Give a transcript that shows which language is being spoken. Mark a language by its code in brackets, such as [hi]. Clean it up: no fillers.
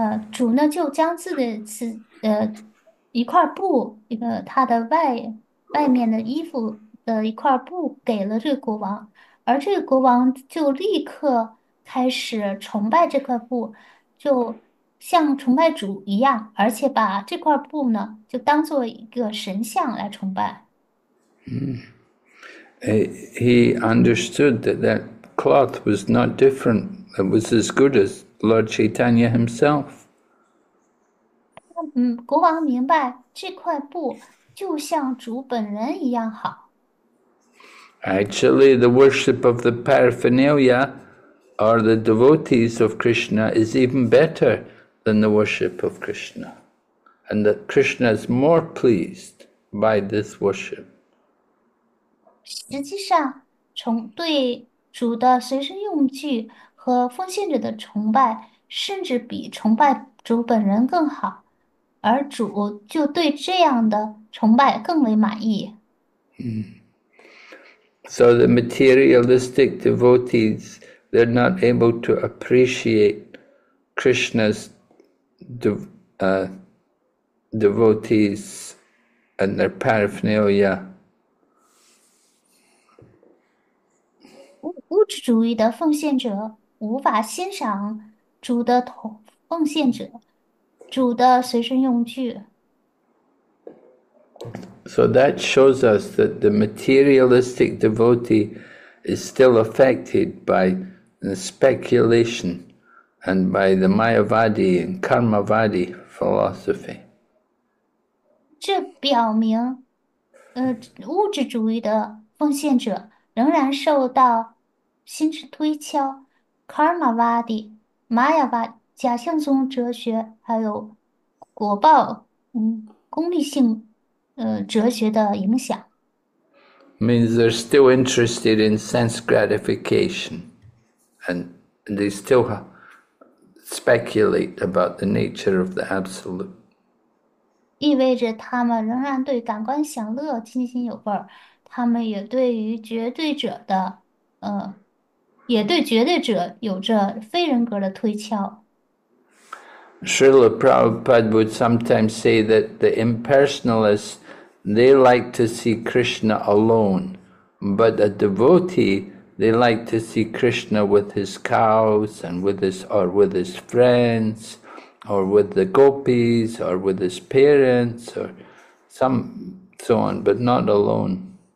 [zh] 主呢就将自己的此一块布，一个他的外面的衣服的一块布给了这个国王，而这个国王就立刻开始崇拜这块布，就像崇拜主一样，而且把这块布呢就当做一个神像来崇拜。 [en] He understood that that cloth was not different. It was as good as Lord Chaitanya himself. [zh] 国王明白这块布就像主本人一样好。 [en] Actually, the worship of the paraphernalia or the devotees of Krishna is even better than the worship of Krishna, and that Krishna is more pleased by this worship. [zh] 实际上，从对主的随身用具和奉献者的崇拜，甚至比崇拜主本人更好。而主就对这样的崇拜更为满意。 [en] So the materialistic devotees, they're not able to appreciate Krishna's devotees and their paraphernalia. [zh] 物质主义的奉献者无法欣赏主的同奉献者。主的随身用具。 [en] So that shows us that the materialistic devotee is still affected by the speculation and by the Mayavadi and Karmavadi philosophy. [zh] 这表明，物质主义的奉献者仍然受到心智推敲，Karmavadi、Mayavadi。假象宗哲学，还有果报，功利性，哲学的影响。 [en] Means they're still interested in sense gratification and they still speculate about the nature of the absolute. [zh] 意味着他们仍然对感官享乐津津有味儿，他们也对于绝对者的，也对绝对者有着非人格的推敲。 [en] Srila Prabhupada would sometimes say that the impersonalists, they like to see Krishna alone, but a devotee, they like to see Krishna with his cows and with his or with his friends, or with the gopis, or with his parents, or so on, but not alone.